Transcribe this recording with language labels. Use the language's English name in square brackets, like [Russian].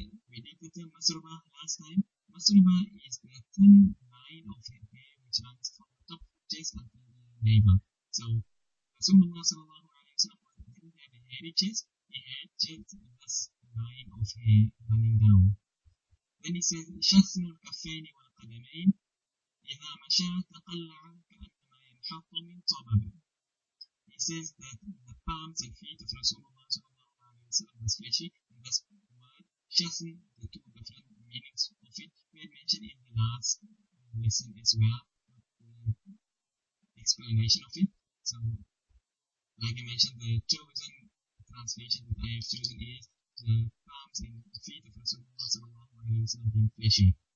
[English] We did the term Masruba last time. Masruba is the thin line of hair which runs from the top of the chest until the navel. So, Rasulullah sallallahu alayhi wa sallam didn't have a hairy chest, he had just this line of hair running down. Then he says, [Arabic] Shakhsun al Kafaini wal Qadamain. إذا مشى تقلع كأنما ينحط من طبب. [English] He says that the palms and feet of Rasulullah sallallahu alayhi wa sallam was fleshy, and this word shasn, the two different meanings of it, we had mentioned in the last lesson as well, the explanation of it. So, like I mentioned, the chosen translation that I have chosen is the palms and feet of Rasulullah sallallahu alayhi wa sallam being fleshy.